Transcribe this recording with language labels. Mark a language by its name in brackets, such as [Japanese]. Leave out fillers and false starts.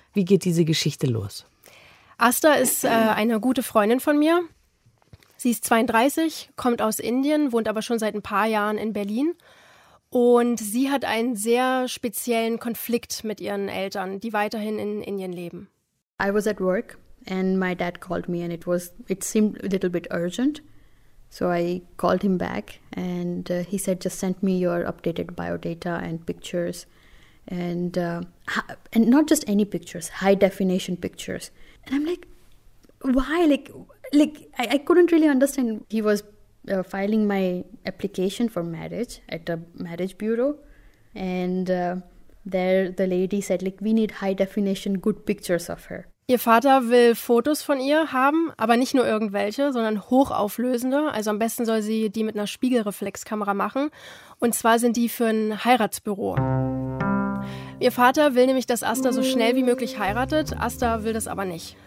[German] Wie geht diese Geschichte los? Asta ist eine gute Freundin von mir. Sie ist 32, kommt aus Indien, wohnt aber schon seit ein paar Jahren in Berlin. Und sie hat einen sehr speziellen Konflikt mit ihren Eltern, die weiterhin in Indien leben. [English] I was at work and my dad called me and it seemed a little bit urgent. So I called him back and he said, just send me your updated biodata and pictures and not just any pictures, high definition pictures. And I'm like, why? I couldn't really understand. He was filing my application for marriage at a marriage bureau, and there the lady said, like, we need high definition good pictures of her. [German] Ihr Vater will Fotos von ihr haben, aber nicht nur irgendwelche, sondern hochauflösende. Also am besten soll sie die mit einer Spiegelreflexkamera machen. Und zwar sind die für ein Heiratsbüro. Ihr Vater will nämlich, dass Asta so schnell wie möglich heiratet. Asta will das aber nicht.